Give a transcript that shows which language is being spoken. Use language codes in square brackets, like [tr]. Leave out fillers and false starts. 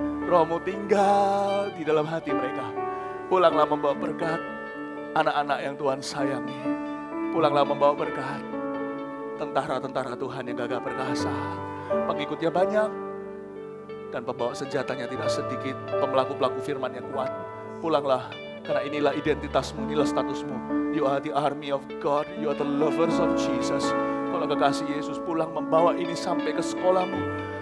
[id] Roh-Mu tinggal di dalam hati mereka. Pulanglah membawa berkat anak-anak yang Tuhan sayangi. Pulanglah membawa berkat tentara-tentara Tuhan yang gagah perkasa. Pengikutnya banyak dan pembawa senjatanya tidak sedikit. Pemelaku-pelaku firman yang kuat. Pulanglah, karena inilah identitasmu, inilah statusmu. [en] You are the army of God, you are the lovers of Jesus. [id] Kalau kekasih Yesus, pulang membawa ini sampai ke sekolahmu.